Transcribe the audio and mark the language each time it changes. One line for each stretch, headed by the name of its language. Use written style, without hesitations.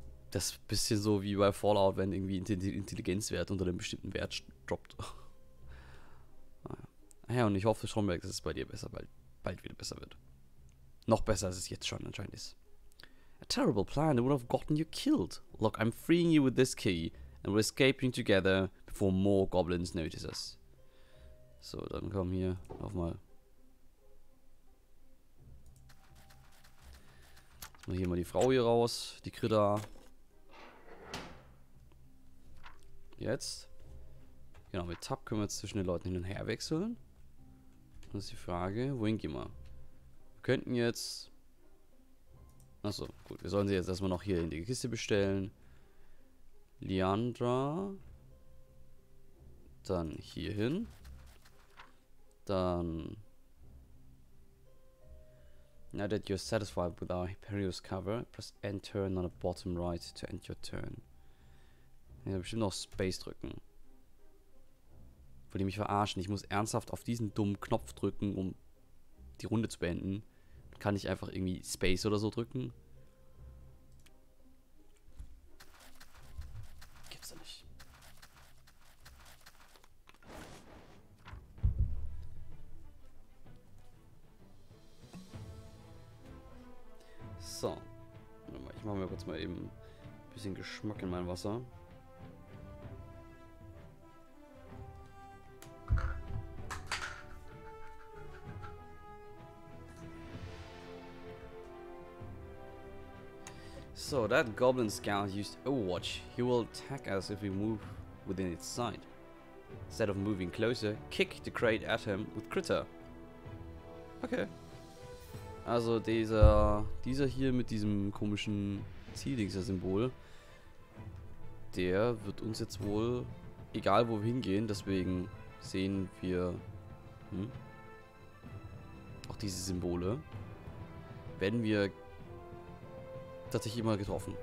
German: Das ist ein bisschen so wie bei Fallout, wenn irgendwie Intelligenzwert unter einem bestimmten Wert droppt. Naja, und ich hoffe, Stromberg, dass es bei dir besser, bald wieder besser wird. Noch besser, als es jetzt schon anscheinend ist.
English: A terrible plan that would have gotten you killed. Look, I'm freeing you with this key and we're escaping together before more goblins notice us.
German: So, dann kommen hier nochmal. Und hier mal die Frau hier raus, die Critter. Jetzt. Genau, mit Tab können wir jetzt zwischen den Leuten hin und her wechseln. Das ist die Frage, wohin gehen wir? Wir könnten jetzt. Achso, gut, wir sollen sie jetzt erstmal noch hier in die Kiste bestellen. Leandra. Dann hier hin. Dann.
English: Now that you're satisfied with our Hyperius cover, press Enter on the bottom right to end your turn.
German: Ich muss bestimmt noch Space drücken. Wollt ihr mich verarschen? Ich muss ernsthaft auf diesen dummen Knopf drücken, um die Runde zu beenden. Kann ich einfach irgendwie Space oder so drücken? Gibt's doch nicht. So. Ich mache mir kurz mal eben ein bisschen Geschmack in mein Wasser.
English: So, that goblin scout used Overwatch. He will attack us if we move within its sight. Instead of moving closer, kick the crate at him with Critter.
German: Okay. Also dieser hier mit diesem komischen Ziel-Dingser-Symbol, der wird uns jetzt wohl, egal wo wir hingehen, deswegen sehen wir auch diese Symbole, wenn wir tatsächlich immer getroffen.